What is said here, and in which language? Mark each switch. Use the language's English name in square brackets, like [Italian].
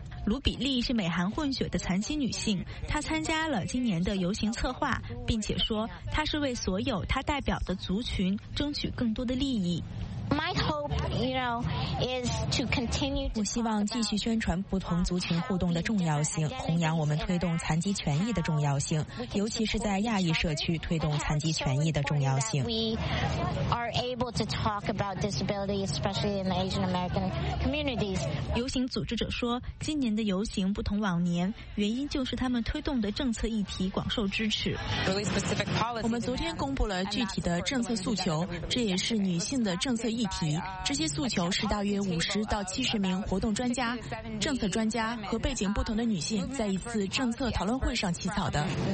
[Chinese] 卢比利是美韩混血的残疾女性，她参加了今年的游行策划，并且说她是为所有她代表的族群争取更多的利益。 [English] My hope, you know, is to continue. [Chinese] 我希望继续宣传不同族群互动的重要性，弘扬我们推动残疾权益的重要性，尤其是在亚裔社区推动残疾权益的重要性。 [English] We are able to talk about disability, especially in the Asian American communities. [Chinese] 游行组织者说，今年的游行不同往年，原因就是他们推动的政策议题广受支持。 [English] Really specific policy. [Chinese] 我们昨天公布了具体的政策诉求，这也是女性的政策议题。这些诉求是大约50到70名活动专家、政策专家和背景不同的女性在一次政策讨论会上起草的。